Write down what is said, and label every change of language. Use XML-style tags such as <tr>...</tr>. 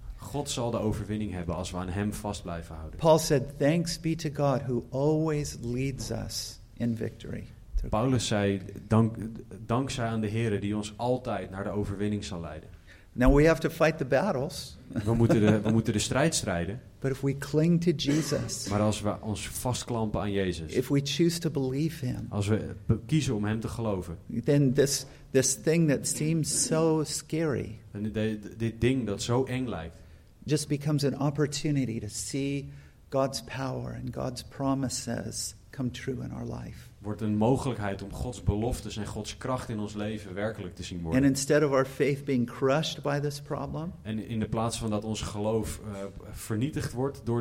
<nl>God zal de overwinning hebben als we aan hem vast blijven houden.</nl> <en>Paul said, "Thanks be to God who always leads us in victory."</en> <nl>Paulus zei, dankzij aan de Heer die ons altijd naar de overwinning zal leiden.</nl> <en>Now we have to fight the battles.</en> <nl>We moeten de strijd strijden.</nl> <en>But if we cling to Jesus.</en> <nl>Maar als we ons vastklampen aan Jezus.</nl> <en>If we choose to believe him.</en> <nl>Als we kiezen om hem te geloven.</nl> <en>Then this thing that seems so scary.</en> <nl>En dit ding dat zo eng lijkt.</nl> <en>Just becomes an opportunity to see God's power and God's promises come true in our life.</en> <nl>Wordt een mogelijkheid om Gods beloftes en Gods kracht in ons leven werkelijk te zien worden.</nl> <en>And instead of our faith being crushed by this problem,</en> <nl>en in de plaats van dat ons geloof vernietigd wordt door</nl>